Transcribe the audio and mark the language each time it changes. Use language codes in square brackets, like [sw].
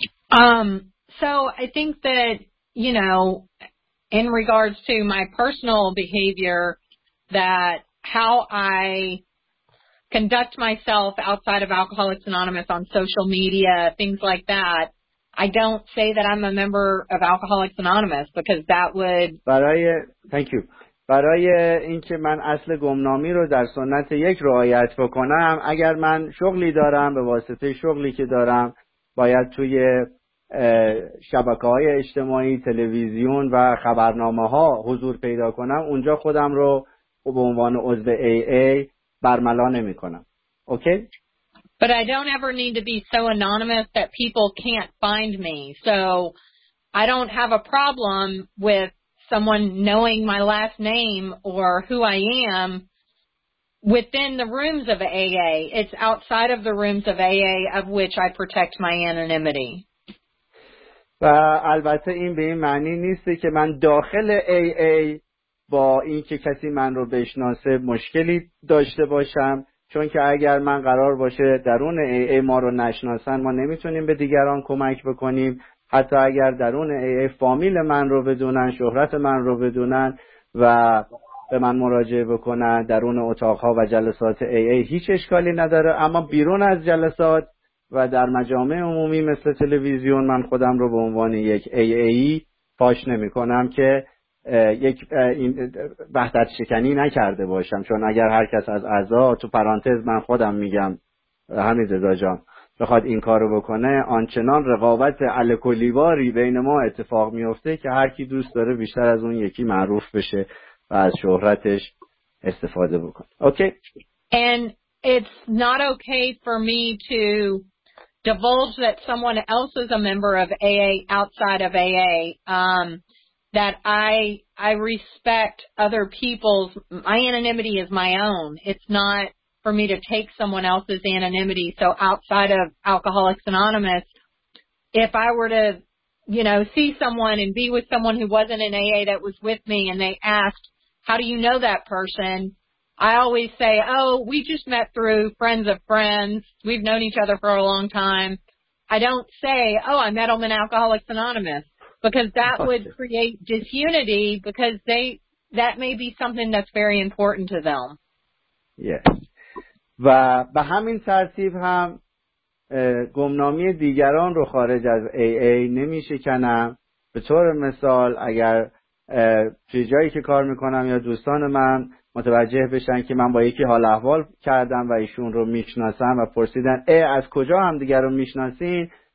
[en] So I think that, you know, in regards to my personal behavior, that how I conduct myself outside of Alcoholics Anonymous on social media, things like that, I don't say that I'm a member of Alcoholics Anonymous because that would... Thank you. [fa] برای اینکه من اصل گمنامی رو در سنت یک رعایت بکنم، اگر من شغلی دارم به واسطه شغلی که دارم باید توی شبکه‌های اجتماعی، تلویزیون و خبرنامه‌ها حضور پیدا کنم، اونجا خودم رو به عنوان عضو AA برملا نمی‌کنم. اوکی؟ [en] But I don't ever need to be so anonymous that people can't find me. So I don't have a problem with someone knowing my last name or who I am within the rooms of AA. It's outside of the rooms of AA of which I protect my anonymity. [fa] و البته این به این معنی نیست که من داخل AA با این که کسی من رو بشناسه مشکلی داشته باشم، چون که اگر من قرار باشه درون AA ما رو نشناسن ما نمیتونیم به دیگران کمک بکنیم، حتی اگر درون AA فامیل من رو بدونن، شهرت من رو بدونن و به من مراجعه بکنن درون اتاقها و جلسات AA هیچ اشکالی نداره، اما بیرون از جلسات و در مجامع عمومی مثل تلویزیون من خودم رو به عنوان یک AA فاش نمی کنم که یک وحدت شکنی نکرده باشم، چون اگر هر کس از اعضا، تو پرانتز من خودم میگم حمید رضا جان، بخواد این کار رو بکنه آنچنان رقابت الکلیواری بین ما اتفاق میفته که هر کی دوست داره بیشتر از اون یکی معروف بشه و از شهرتش استفاده بکنه. اوکی؟ [en] It's not okay for me to divulge that someone else is a member of AA outside of AA, that I respect other people's, my anonymity is my own. It's not for me to take someone else's anonymity. So outside of Alcoholics Anonymous, if I were to, you know, see someone and be with someone who wasn't in AA that was with me and they asked, how do you know that person? I always say, oh, we just met through friends of friends. We've known each other for a long time. I don't say, oh, I met them in Alcoholics Anonymous, because that would create disunity, because that may be something that's very important to them. Yes. [fa] و به همین ترتیب هم گمنامی دیگران رو خارج از AA نمی شکنم. به طور مثال اگر توی جایی که کار میکنم یا دوستان من متوجه بشن که من با یکی حال احوال کردم و ایشون رو میشناسم و پرسیدن از کجا هم دیگر رو میشناسین،